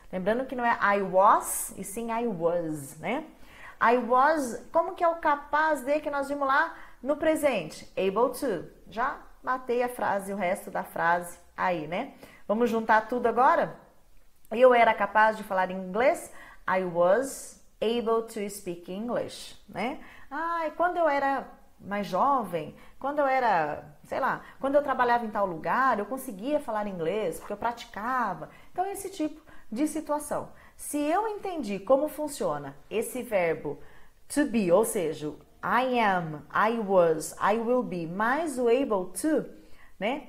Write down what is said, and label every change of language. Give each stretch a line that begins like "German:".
Portuguese: Lembrando que não é
English: I was,
Portuguese: e sim I was, né?
English: I was,
Portuguese: como que é o capaz de que nós vimos lá no presente?
English: Able to.
Portuguese: Já matei a frase, o resto da frase aí, né? Vamos juntar tudo agora? Eu era capaz de falar inglês?
English: I was able to speak English, né?
Portuguese: Ai, quando eu era mais jovem, quando eu era, sei lá, quando eu trabalhava em tal lugar, eu conseguia falar inglês, porque eu praticava. Então, esse tipo de situação. Se eu entendi como funciona esse verbo to be, ou seja,
English: I am, I was, I will be,
Portuguese: mais o
English: able to,
Portuguese: né?